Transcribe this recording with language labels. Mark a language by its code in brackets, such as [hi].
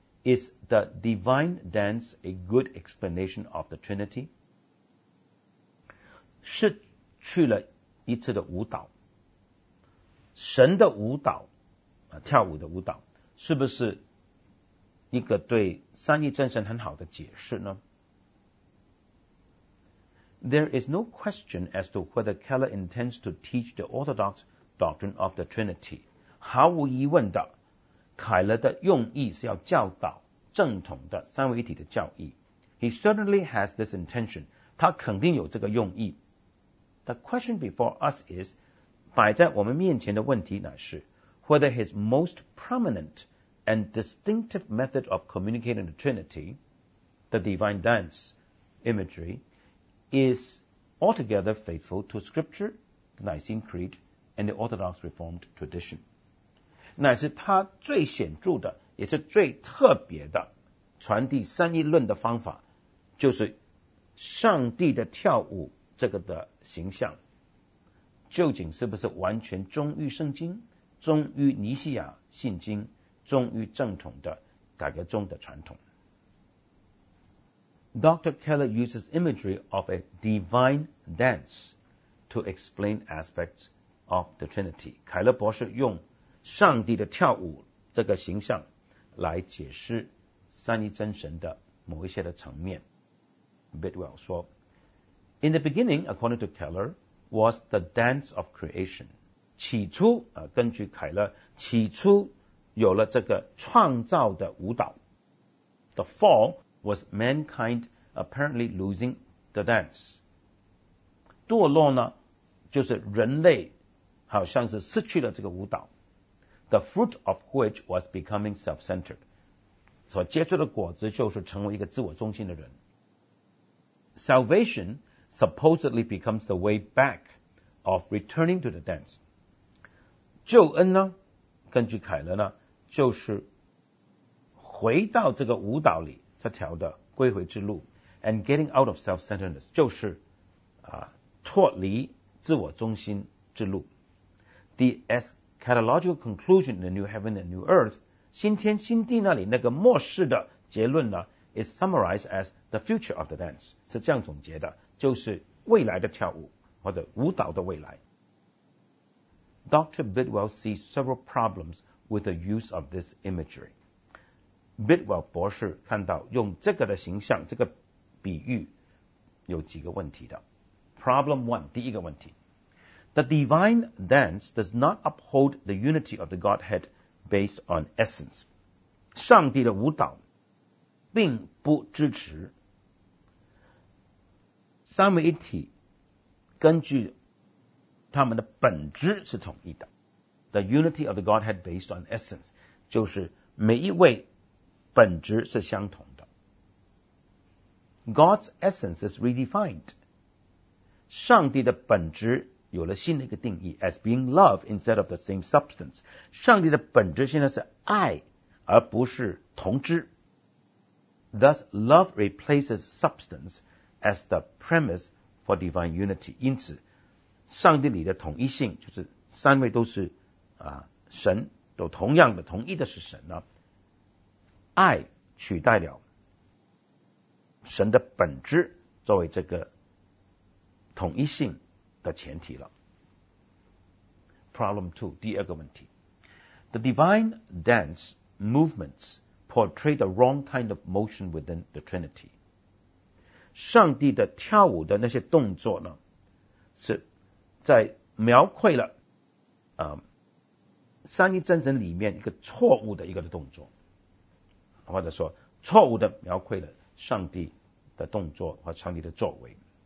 [en] Is the divine dance a good explanation of the Trinity? [zh] 是去了一次的舞蹈，神的舞蹈，跳舞的舞蹈，是不是一个对三一真神很好的解释呢？ [en] There is no question as to whether Keller intends to teach the Orthodox doctrine of the Trinity. [zh] 毫无疑问的，凯勒的用意是要教导正统的三位一体的教义。 [en] He certainly has this intention. [zh] 他肯定有这个用意。 [en] The question before us is, [zh] 摆在我们面前的问题乃是 [en] whether his most prominent and distinctive method of communicating the Trinity, the divine dance imagery,is altogether faithful to Scripture, the Nicene Creed, and the Orthodox Reformed tradition. [zh] 乃是他最显著的，也是最特别的传递三一论的方法，就是上帝的跳舞这个的形象，究竟是不是完全忠于圣经，忠于尼西亚信经，忠于正统的改革宗的传统。 [en] Dr. Keller uses imagery of a divine dance to explain aspects of the Trinity. [zh] 凯勒博士用上帝的跳舞这个形象来解释三一真神的某一些的层面。 [en] Bidwell 说 In the beginning, according to Keller, was the dance of creation. [zh] 起初、根据凯勒起初有了这个创造的舞蹈。 [en] The fall,was mankind apparently losing the dance. [zh] 堕落呢就是人类好像是失去了这个舞蹈。 [en] The fruit of which was becoming self-centered. [zh] 所结出的果子就是成为一个自我中心的人。 [en] Salvation supposedly becomes the way back of returning to the dance. [zh] 救恩呢根据凯勒呢就是回到这个舞蹈里。这条的归回之路 [en] and getting out of self-centeredness [zh] 就是、脱离自我中心之路 [en] The eschatological conclusion in the new heaven and new earth [zh] 新天新地那里那个末世的结论呢 [en] is summarized as the future of the dance [zh] 是这样总结的就是未来的跳舞或者舞蹈的未来 [en] Dr. Bidwell sees several problems with the use of this imagery [zh] Bidwell 博士看到用这个的形象这个比喻有几个问题的 [en] Problem one [zh] 第一个问题 [en] The divine dance does not uphold the unity of the Godhead based on essence [zh] 上帝的舞蹈并不支持三位一体根据他们的本质是统一的 [en] The unity of the Godhead based on essence [zh] 就是每一位本质是相同的。 [en] God's essence is redefined. [zh] 上帝的本质有了新的一个定义 [en] as being love instead of the same substance. [zh] 上帝的本质现在是爱而不是同质。 [en] Thus, love replaces substance as the premise for divine unity. [zh] 因此上帝里的统一性就是三位都是、神都同样的同一的是神呢。爱取代了神的本质作为这个统一性的前提了。 [en] Problem two, [zh] 第二个问题。 [en] The divine dance movements portray the wrong kind of motion within the Trinity. [zh] 上帝的跳舞的那些动作呢是在描绘了、三一真神里面一个错误的一个的动作。或者说错误的描绘了上帝的动作和上帝的作为。